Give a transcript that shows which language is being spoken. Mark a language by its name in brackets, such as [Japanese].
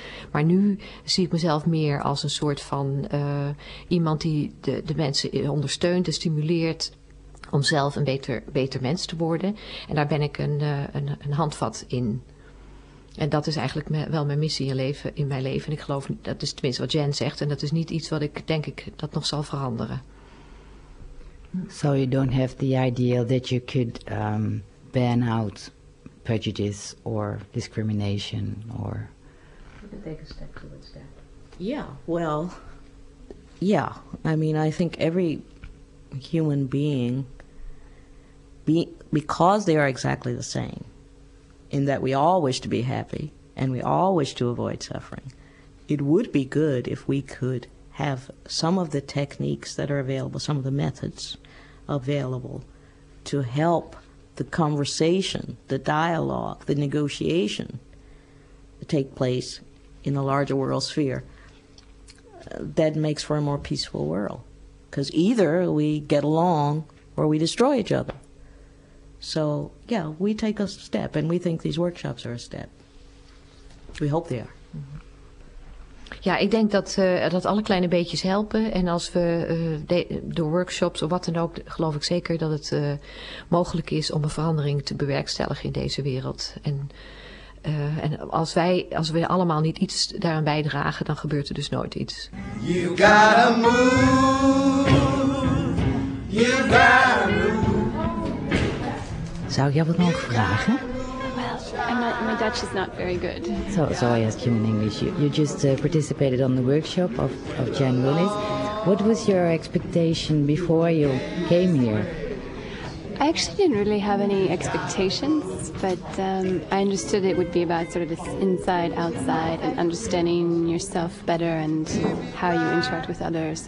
[Dutch] Maar nu zie ik mezelf meer als een soort van iemand die de mensen ondersteunt en stimuleert om zelf een beter mens te worden. En daar ben ik een handvat in. En dat is eigenlijk wel mijn missie in mijn leven. En ik geloof, dat is tenminste wat Jen zegt, en dat is niet iets wat ik denk ik dat nog zal veranderen. [English] So you don't have the idea that you could ban out prejudice or discrimination or... We could take a step towards that. Yeah, well, yeah. I mean, I think every human being, because they are exactly the same, in that we all wish to be happy and we all wish to avoid suffering, it would be good if we could have some of the techniques that are available, some of the methods available to help the conversation, the dialogue, the negotiation take place in a larger world sphere that makes for a more peaceful world. Because either we get along or we destroy each other. So, yeah, we take a step, and we think these workshops are a step. We hope they are. Mm-hmm. [Dutch] Ja, ik denk dat alle kleine beetjes helpen. En als we door workshops of wat dan ook, geloof ik zeker dat het mogelijk is om een verandering te bewerkstelligen in deze wereld. En als we allemaal niet iets daaraan bijdragen, dan gebeurt er dus nooit iets. [English] You gotta move. You gotta move. [Dutch] Zou ik jou wat nog vragen? [English] My Dutch is not very good. So I asked you in English. You just participated on the workshop of Jan Willis. What was your expectation before you came here? I actually didn't really have any expectations, but I understood it would be about sort of this inside, outside, and understanding yourself better and how you interact with others.